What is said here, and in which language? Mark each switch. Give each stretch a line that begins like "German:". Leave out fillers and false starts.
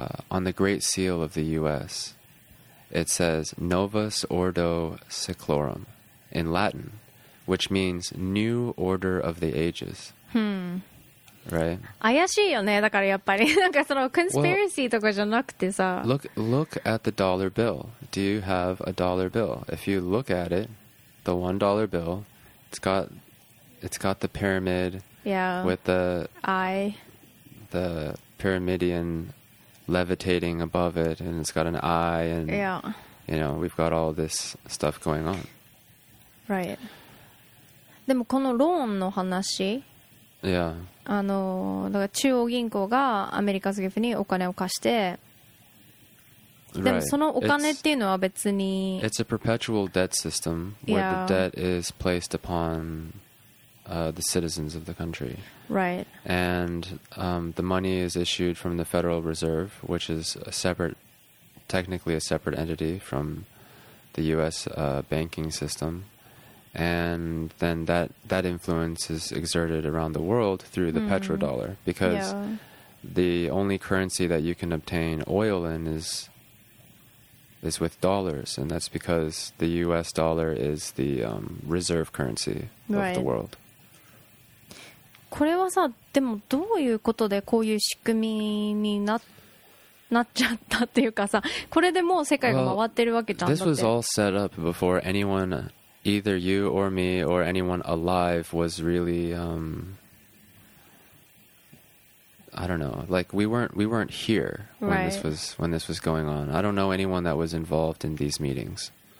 English: On the Great Seal of the U.S., it says, Novus Ordo Seclorum, in Latin, which means New Order of the Ages. Hmm. Right.
Japanese: 怪しいよね。だからやっぱりなんかそのコンスピラシーとかじゃなくてさ。
English: Well, look at the dollar bill. Do you have a dollar bill? If you look at it, the $1 bill, it's got the pyramid. Yeah. With the eye. The pyramidion levitating above it, and it's got an eye, and yeah. You know, we've got all this stuff going on. Right.
Japanese: でもこのローンの話。
English: Yeah.
Japanese: だから中央銀行がアメリカ政府にお金を貸して、
English: right.
Japanese: でもそのお金っていうのは別に
English: It's a perpetual debt system where、 yeah. the debt is placed upon、the citizens of the country. Right. And、the money is issued from the Federal Reserve, which is technically a separate entity from the U.S.、banking system. And then that influence is exerted around the world through the petrodollar because、 yeah. the only currency that you can obtain oil in is is with dollars, and that's because the U.S. dollar is the reserve currency of the world.
Japanese: これはさ、でもどういうことでこういう仕組みに なっちゃったっていうかさ、これでもう世界が回ってるわけじゃん。
English: This was all set up before anyone, either you or me or anyone alive, was really, I don't know, like we weren't here when this was going on. I don't know anyone that was involved in these meetings.